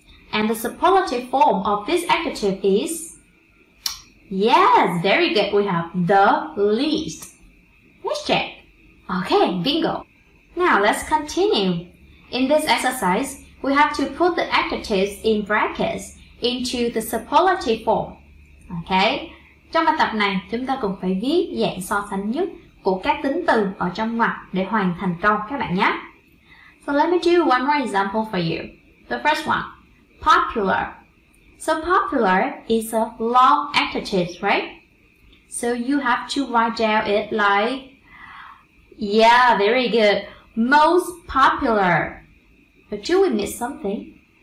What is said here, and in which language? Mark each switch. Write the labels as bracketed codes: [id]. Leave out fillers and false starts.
[en] And the superlative form of this adjective is? Yes, very good. We have the least. Let's check. Okay, bingo. Now let's continue. In this exercise, we have to put the adjectives in brackets into the superlative form. Okay. [vi] Trong bài tập này, chúng ta cũng phải viết dạng so sánh nhất của các tính từ ở trong ngoặc để hoàn thành câu các bạn nhé. [en] So let me do one more example for you. The first one, popular. So popular is a long adjective, right? So you have to write down it like, yeah, very good. Most popular. But do we miss something?